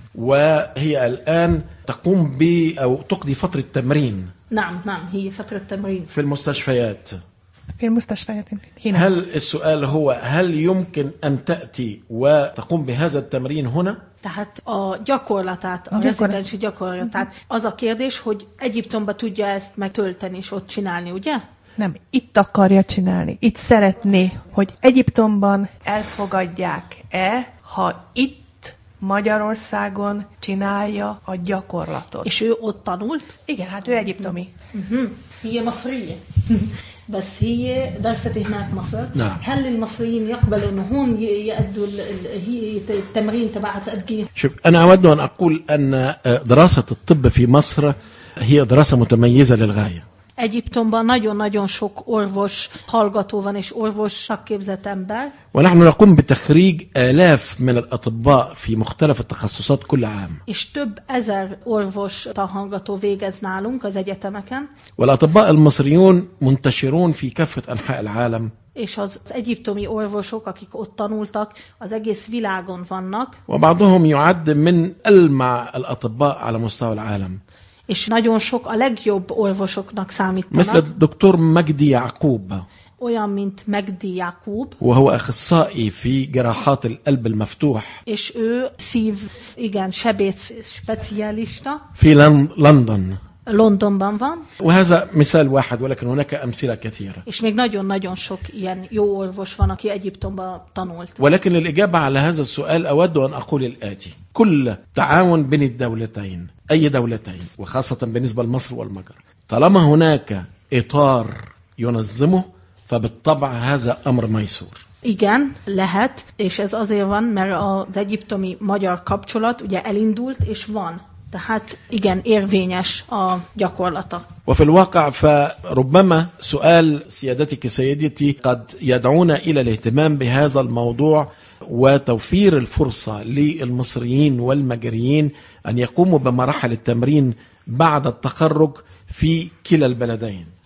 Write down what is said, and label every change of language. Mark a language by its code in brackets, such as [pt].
[ar] وهي الآن تقوم ب أو تقضي فترة تمرين. نعم هي فترة تمرين. في المستشفيات. في المستشفيات هنا. هل السؤال هو هل يمكن أن تأتي وتقوم بهذا التمرين هنا؟ تحت [hu] gyakorlatát, a rezidensi gyakorlatát. Az a kérdés, hogy Egyiptomba tudja ezt megtölteni és ott csinálni, ugye? Nem, itt akarja csinálni. Itt szeretné, hogy Egyiptomban elfogadják-e, ha itt Magyarországon csinálja a gyakorlatot. És ő ott tanult? Igen, hát ő egyiptomi. Igen, a szrije. [ar] بس هي درست هناك مصر. نعم. هل المصريين يقبلوا أن هون يأدوا هي التمرين تبعها تأدقية؟ شوف أنا أود أن أقول أن دراسة الطب في مصر هي دراسة متميزة للغاية. [hu] Egyiptomban nagyon-nagyon sok orvos hallgató van és orvos szakképzett ember. [ar] ونحن نقوم بتخريج آلاف من الأطباء في مختلف التخصصات كل عام. [hu] És több ezer orvos tanhallgató végez nálunk az egyetemeken. [ar] والأطباء المصريون منتشرون في كافة أنحاء العالم. [hu] És az egyiptomi orvosok, akik ott tanultak, az egész világon vannak. [ar] وبعضهم يعد من ألمع الأطباء على مستوى العالم. [hu] És nagyon sok a legjobb orvosoknak számítanak. [ar] مثل الدكتور مجدي يعقوب. [hu] Olyan, mint Megdi Jakub. [ar] وهو أخصائي في جراحات القلب المفتوح. [hu] És ő szív, igen, sebész specialista. [ar] في لندن. [hu] Londonban van. [ar] وهذا مثال واحد ولكن هناك أمثلة كثيرة. [hu] És még nagyon-nagyon sok ilyen jó orvos van, aki Egyiptomban tanult. [ar] ولكن للإجابة على هذا السؤال أود أن أقول الآتي. كل تعاون بين الدولتين أي دولتين وخاصة بالنسبة لمصر والمجر طالما هناك إطار ينظمه فبالطبع هذا أمر ميسور. [hu] Igen, lehet, és ez azért van, mert az egyiptomi magyar kapcsolat ugye elindult és van. Tehát igen, érvényes a gyakorlata. [ar] وفي الواقع فربما سؤال سيادتك سيدتي قد يدعونا إلى الاهتمام بهذا الموضوع وتوفير الفرصة للمصريين والمجريين أن يقوموا بمراحل التمرين بعد التخرج في كلا البلدين.